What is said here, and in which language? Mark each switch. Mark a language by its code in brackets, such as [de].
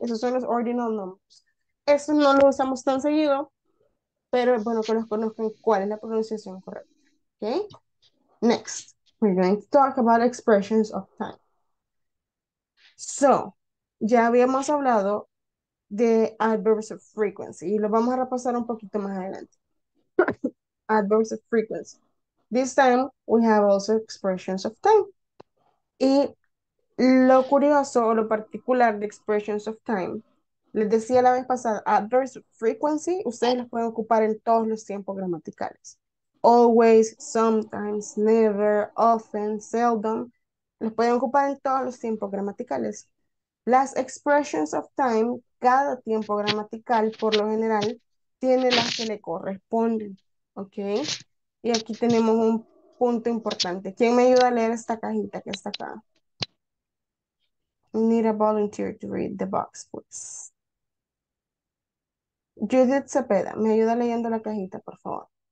[es] Esos son los ordinal numbers. Esos no los usamos tan seguido, pero es bueno que los conozcan cuál es la pronunciación correcta. ¿Okay? [en] Next, we're going to talk about expressions of time. [es] So, ya habíamos hablado de adverbs of frequency y lo vamos a repasar un poquito más adelante. [en] Adverbs of frequency. This time we have also expressions of time. [es] Y lo curioso o lo particular de expressions of time, les decía la vez pasada, adverbs of frequency, ustedes los pueden ocupar en todos los tiempos gramaticales. [en] Always, sometimes, never, often, seldom. [es] Los pueden ocupar en todos los tiempos gramaticales. Las expressions of time, cada tiempo gramatical, por lo general, tiene las que le corresponden. ¿Ok? Y aquí tenemos un punto importante. ¿Quién me ayuda a leer esta cajita que está acá? [en] Need a volunteer to read the box, please. [es] Judith Cepeda, ¿me ayuda leyendo la cajita, por favor?